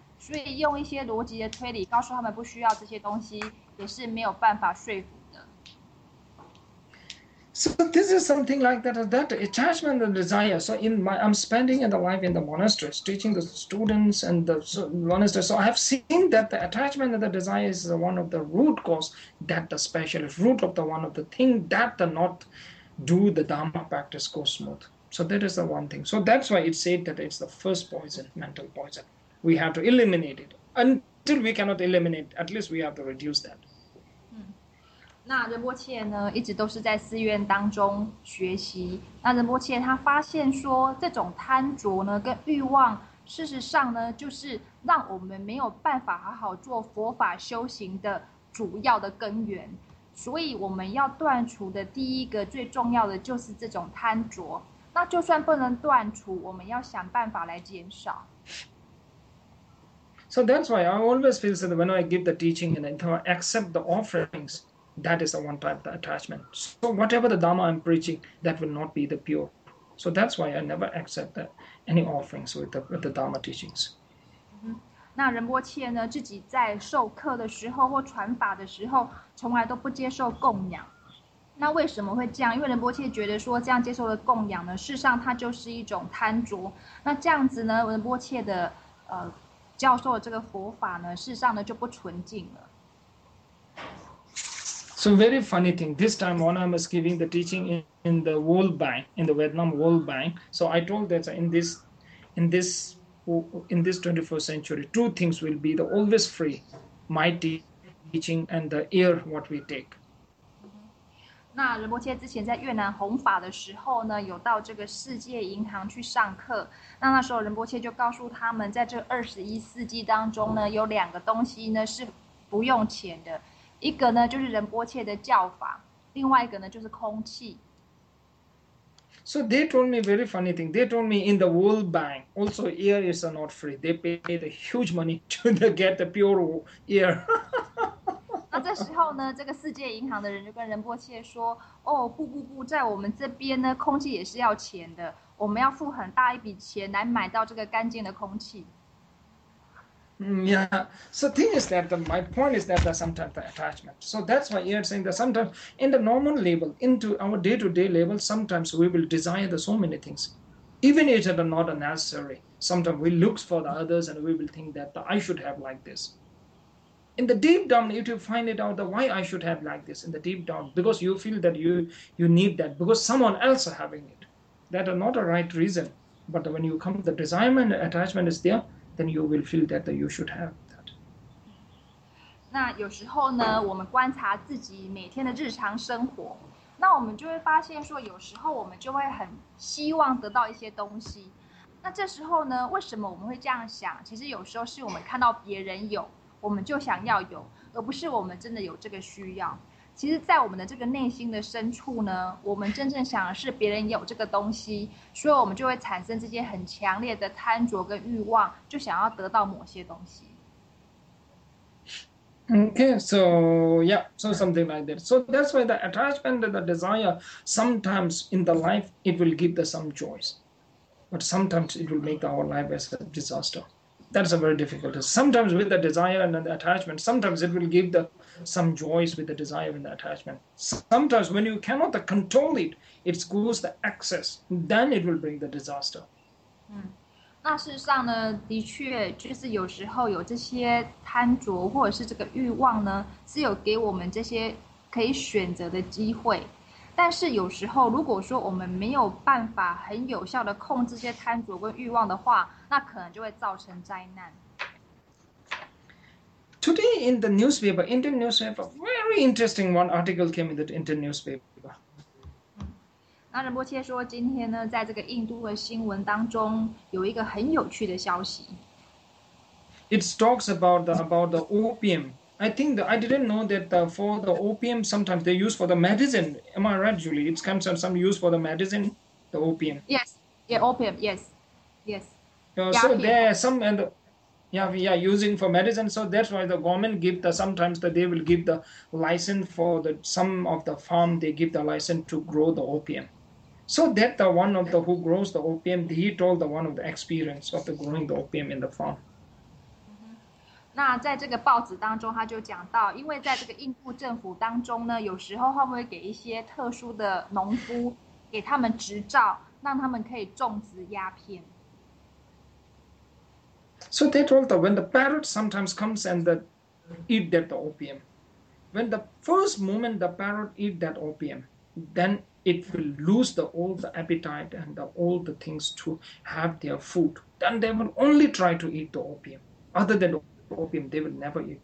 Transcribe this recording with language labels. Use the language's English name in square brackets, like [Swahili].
[Chinese] 所以用一些逻辑的推理告诉他们不需要这些东西，也是没有办法说服的。 [English] So this is something like that. That attachment and desire. So in my, I'm spending the life in the monasteries, teaching the students and the monasteries. So I have seen that the attachment and the desire is one of the root cause. That the special root of the one of the thing that the not do the Dharma practice go smooth. So that is the one thing. So that's why it said that it's the first poison, mental poison. We have to eliminate it. Until we cannot eliminate, at least we have to reduce that. [Chinese] 那仁波切呢，一直都是在寺院当中学习。那仁波切他发现说，这种贪着呢，跟欲望，事实上呢，就是让我们没有办法好好做佛法修行的主要的根源。所以我们要断除的第一个最重要的就是这种贪着。那就算不能断除，我们要想办法来减少。 [English] So that's why I always feel that when I give the teaching and I accept the offerings, that is the one type of attachment. So whatever the Dharma I'm preaching, that will not be the pure. So that's why I never accept any offerings with the Dharma teachings. [Chinese] 那仁波切呢，自己在授课的时候或传法的时候，从来都不接受供养。那为什么会这样？因为仁波切觉得说，这样接受的供养呢，事实上它就是一种贪着。那这样子呢，仁波切的教授的这个佛法呢，事实上呢就不纯净了。 [English] So very funny thing. This time, when I was giving the teaching in the World Bank, in the Vietnam World Bank, so I told that in this 21st century, two things will be the always free, my teaching and the air what we take. [Chinese] 那仁波切之前在越南弘法的时候呢，有到这个世界银行去上课。那时候仁波切就告诉他们，在这21世纪当中呢，有两个东西呢是不用钱的，一个呢就是仁波切的教法，另外一个呢就是空气。 [English] So they told me very funny thing. They told me in the World Bank also air is not free. They paid a huge money to get the pure air. [Chinese] 那这时候呢，这个世界银行的人就跟仁波切说：“哦，不，在我们这边呢，空气也是要钱的，我们要付很大一笔钱来买到这个干净的空气。” [English] Yeah. So thing is that my point is that the sometimes the attachment. So that's why you are saying that sometimes in the normal level, into our day-to-day level, sometimes we will desire the so many things, even if it are not necessary. Sometimes we look for the others and we will think that I should have like this. In the deep down, if you find it out, the why I should have like this, in the deep down, because you feel that you need that, because someone else are having it. That are not a right reason. But when you come, the desire and attachment is there, then you will feel that you should have that. [Chinese] 那有时候呢，我们观察自己每天的日常生活，那我们就会发现说，有时候我们就会很希望得到一些东西。那这时候呢，为什么我们会这样想？其实有时候是我们看到别人有。我们就想要有，而不是我们真的有这个需要。其实，在我们的这个内心的深处呢，我们真正想的是别人有这个东西，所以我们就会产生这些很强烈的贪着跟欲望，就想要得到某些东西。 [English] Okay, so yeah, so something like that. So that's why the attachment and the desire sometimes in the life it will give us some joys, but sometimes it will make our life as a disaster. That's a very difficult. Sometimes with the desire and the attachment, sometimes it will give some joys with the desire and the attachment. Sometimes when you cannot control it, it goes the excess, then it will bring the disaster. [Chinese] 那事实上呢，的确就是有时候有这些贪着或者是这个欲望呢，是有给我们这些可以选择的机会。但是有时候，如果说我们没有办法很有效的控制这些贪着跟欲望的话，那可能就会造成灾难。 [English] Today in the newspaper, Indian newspaper, very interesting one article came in that Indian newspaper. [Chinese] 那仁波切说，今天呢，在这个印度的新闻当中，有一个很有趣的消息。 [English] It talks about the opium. I didn't know that for the opium sometimes they use for the medicine. Am I right, Julie? It comes from some use for the medicine, the opium. Yes, yeah, opium. Yes, So yappy. there are some and the, yeah, using for medicine. So that's why the government give the sometimes that they will give the license for the some of the farm they give the license to grow the opium. So that the one of the who grows the opium, he told the one of the experience of the growing the opium in the farm. [Chinese] 那在这个报纸当中，他就讲到，因为在这个印度政府当中呢，有时候他们会给一些特殊的农夫，给他们执照，让他们可以种植鸦片。 [English] So they told that when the parrot sometimes comes and that eat that opium, when the first moment the parrot eat that opium, then it will lose the all the appetite and the all the things to have their food. Then they will only try to eat the opium. Other than the opium, they will never eat.